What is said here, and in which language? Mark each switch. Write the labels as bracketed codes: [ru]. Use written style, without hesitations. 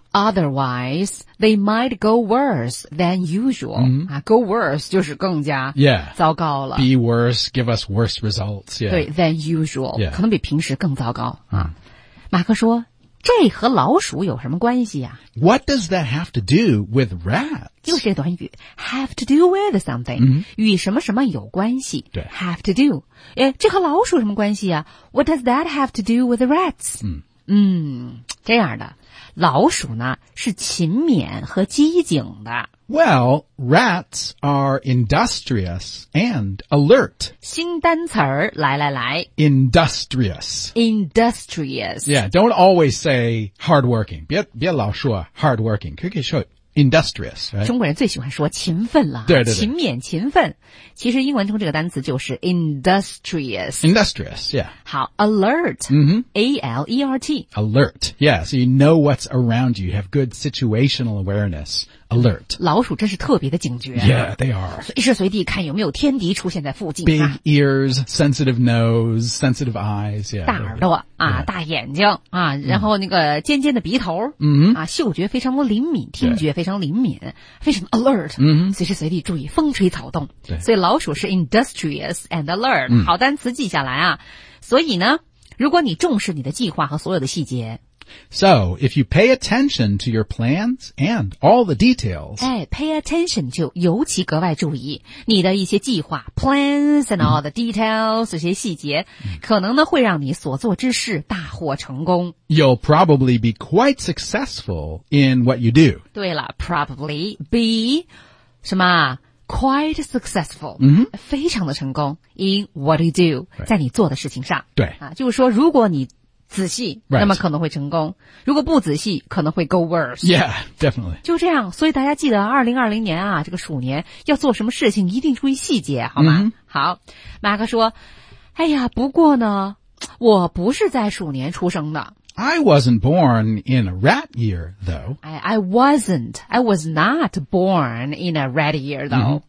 [en] Otherwise, they might go worse than usual.、 Mm-hmm. [zh] 啊、go worse 就是更加、 [en] yeah. [zh] 糟糕了。 [en] Be worse, give us worse results.、Yeah. [zh] 对, [en] than usual.、 Yeah. [zh] 可能比平时更糟糕。 Mm. 马克说,这和老鼠有什么关系啊? [en] What does that have to do with rats? [zh] 就是这短语 [en] have to do with something、 mm-hmm. [zh] 与什么什么有关系对 have to do 诶这和老鼠有什么关系啊? [en] What does that have to do with rats?、 Mm-hmm. [zh] 嗯这样的老鼠呢是勤勉和机警的 [en] Well, rats are industrious and alert [zh] 新单词儿来来来 [en] Industrious Industrious Yeah, don't always say hardworking [zh] 别老说 [en] hardworking 可以说 industrious、right? [zh] 中国人最喜欢说勤奋了对对对勤勉勤奋其实英文中这个单词就是 industrious [en] Industrious, yeah [zh] 好 alert、 mm-hmm. [en] A-L-E-R-T Alert, yeah So you know what's around you Have good situational awareness Alert [zh] 老鼠真是特别的警觉 [en] Yeah, they are [zh] 随时随地看有没有天敌出现在附近 [en] Big ears, sensitive nose, sensitive eyes yeah, [zh] 大耳朵、yeah. 啊、大眼睛、啊、然后那个尖尖的鼻头、 mm-hmm. 啊、嗅觉非常的灵敏听觉非常灵敏非常 alert、 mm-hmm. 随时随地注意风吹草动对所以老鼠是 [en] industrious and alert、 mm. [zh] 好单词记下来啊所以呢如果你重视你的计划和所有的细节 [en] So, if you pay attention to your plans and all the details [zh] 哎 pay attention 就尤其格外注意你的一些计划 [en] plans and all the details、 [zh] mm. 这些细节、mm. 可能呢会让你所做之事大获成功 [en] You'll probably be quite successful in what you do 对了 probably be 什么Quite successful,、 mm-hmm. [zh] 非常的成功 [en] in what you do,、 right. [zh] 在你做的事情上。对、啊、就是说如果你仔细、 [en] right. [zh] 那么可能会成功。如果不仔细可能会 go worse. [en] Yeah, definitely. [zh] 就这样所以大家记得2020年啊这个鼠年要做什么事情一定注意细节好吗、 mm-hmm. 好马克说哎呀不过呢我不是在鼠年出生的。 [en] I wasn't born in a rat year, though. I was not born in a rat year, though.